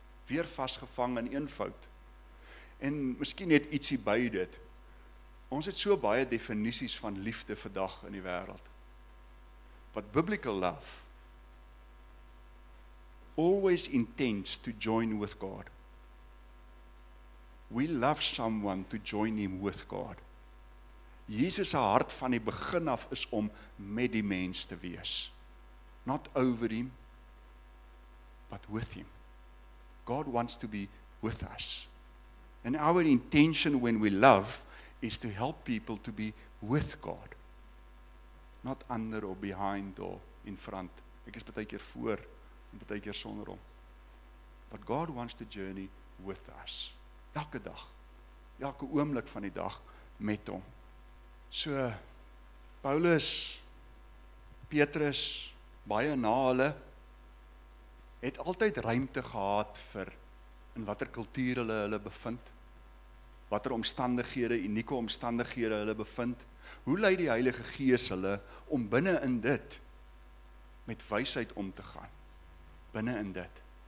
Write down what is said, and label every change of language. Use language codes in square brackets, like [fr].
[af] Weer vasgevang in een fout. En miskien net ietsie by dit. Ons het so baie definisies van liefde vandag in die wêreld. [en] But biblical love always intends to join with God. We love someone to join him with God. [af] Jesus se hart van die begin af is om met die mens te wees. [en] Not over him, but with him. God wants to be with us. And our intention when we love is to help people to be with God. Not under or behind or in front. [af] Ek is baie keer voor en baie keer sonder hom. [en] But God wants to journey with us. [af] Elke dag, elke oomblik van die dag met hom. So, Paulus, Petrus, baie na hulle, het altyd ruimte gehad vir in watter kultuur hulle bevind, watter omstandighede, unieke omstandighede hulle bevind, hoe lei die Heilige Gees hulle om binne in dit met wysheid om te gaan, binne in dit.